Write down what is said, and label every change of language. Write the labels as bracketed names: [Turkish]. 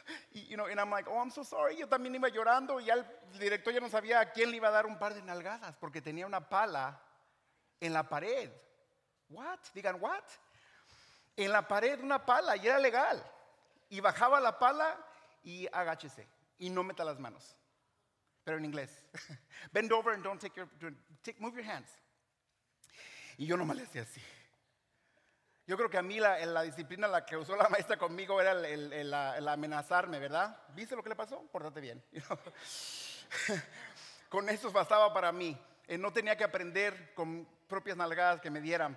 [Spanish] Y, [English] you know, and I'm like, oh, I'm so sorry, [Spanish] yo también iba llorando. Y ya el director ya no sabía a quién le iba a dar un par de nalgadas, porque tenía una pala en la pared. What? Digan, what? En la pared, una pala, y era legal. Y bajaba la pala y agáchese. Y no meta las manos, pero en inglés. [English] Bend over and don't move your hands. [Spanish] Y yo nomás le hacía así. Yo creo que a mí la disciplina la que usó la maestra conmigo era el amenazarme, ¿verdad? ¿Viste lo que le pasó? Pórtate bien. Con eso bastaba para mí. No tenía que aprender con propias nalgadas que me dieran.